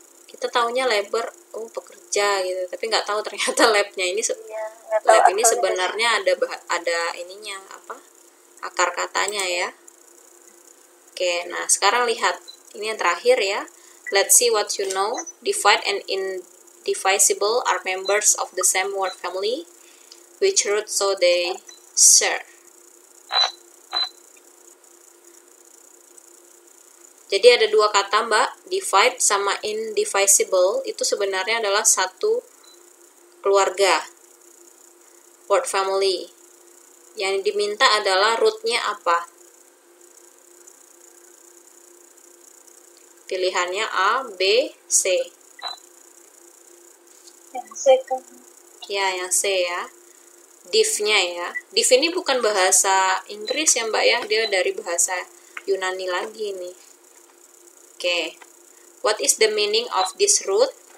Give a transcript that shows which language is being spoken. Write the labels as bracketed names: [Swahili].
[Indonesian] Kita taunya labor, oh pekerja gitu, tapi nggak tahu ternyata labnya ini. Iya. Lab ini sebenarnya juga ada ininya apa, akar katanya ya. Oke, nah sekarang lihat ini yang terakhir ya. [English] Let's see what you know. Divide and in divisible are members of the same word family, which root so they share. [Indonesian] Jadi ada dua kata Mbak, divide sama indivisible, itu sebenarnya adalah satu keluarga, word family. Yang diminta adalah rootnya apa? Pilihannya A, B, C. Yang C ya, yang C ya. Div-nya ya. Div ini bukan bahasa Inggris ya Mbak ya, dia dari bahasa Yunani lagi nih. Oke. Okay. [English] What is the meaning of this root?